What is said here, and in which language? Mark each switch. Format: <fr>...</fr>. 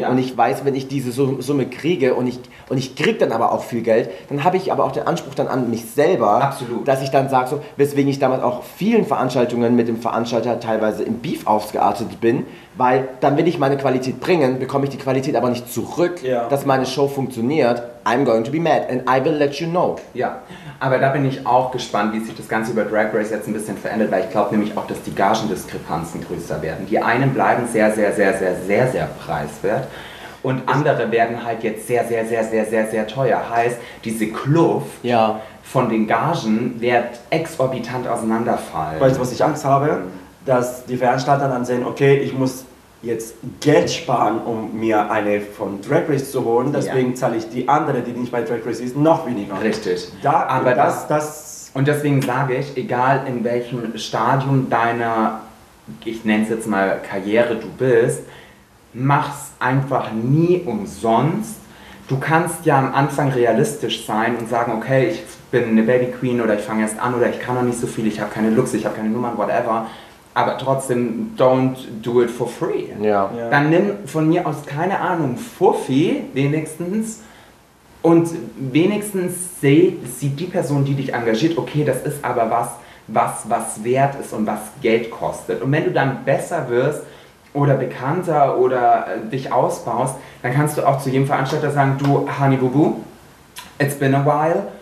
<de>Ja. Und ich weiß, wenn ich diese Summe kriege und ich kriege dann aber auch viel Geld, dann habe ich aber auch den Anspruch dann an mich selber, absolut, dass ich dann sage, so, weswegen ich damals auch vielen Veranstaltungen mit dem Veranstalter teilweise im Beef ausgeartet bin, weil dann will ich meine Qualität bringen, bekomme ich die Qualität aber nicht zurück, ja, dass meine Show funktioniert.</de> <en>I'm going to be mad and I will let you know.</en> <de>Ja, aber da bin ich auch gespannt, wie sich das Ganze über Drag Race jetzt ein bisschen verändert, weil ich glaube nämlich auch, dass die Gagendiskrepanzen größer werden. Die einen bleiben sehr, sehr, sehr, sehr, sehr, sehr preiswert und andere werden halt jetzt sehr, sehr, sehr, sehr, sehr, sehr teuer. Heißt, diese Kluft, ja, von den Gagen wird exorbitant auseinanderfallen. Weißt du, was ich Angst habe? Dass die Veranstalter dann sehen, okay, ich muss jetzt Geld sparen, um mir eine von Drag Race zu holen. Deswegen, ja, zahle ich die andere, die nicht bei Drag Race ist, noch weniger. Richtig. Da, aber das. Und deswegen sage ich, egal in welchem Stadium deiner, ich nenne es jetzt mal, Karriere du bist, mach's einfach nie umsonst. Du kannst ja am Anfang realistisch sein und sagen, okay, ich bin eine Baby Queen oder ich fange erst an oder ich kann noch nicht so viel, ich habe keine Looks, ich habe keine Nummern, whatever.</de> <en>Aber trotzdem, don't do it for free.</en> <de>Ja. Ja. Dann nimm von mir aus, keine Ahnung, Fuffi wenigstens. Und wenigstens sieht die Person, die dich engagiert, okay, das ist aber was wert ist und was Geld kostet. Und wenn du dann besser wirst oder bekannter oder dich ausbaust, dann kannst du auch zu jedem Veranstalter sagen, du, Honey Boo Boo,</de> <en>it's been a while.</en>